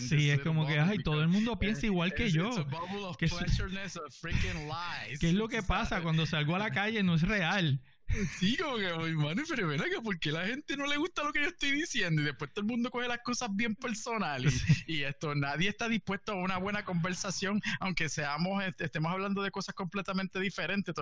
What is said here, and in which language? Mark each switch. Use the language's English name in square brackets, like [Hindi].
[Spanish] Sí, es como que, ay, todo el mundo piensa igual que yo. [English] It's a bubble of pleasureness of freaking lies. [Spanish] ¿Qué es lo que pasa cuando salgo a la calle? No es real. Sí, como que, hermano, pero ven acá, ¿por qué la gente no le gusta lo que yo estoy diciendo? Y después todo el mundo coge las cosas bien personales. Y esto, nadie está dispuesto a una buena conversación, aunque estemos hablando de cosas completamente diferentes.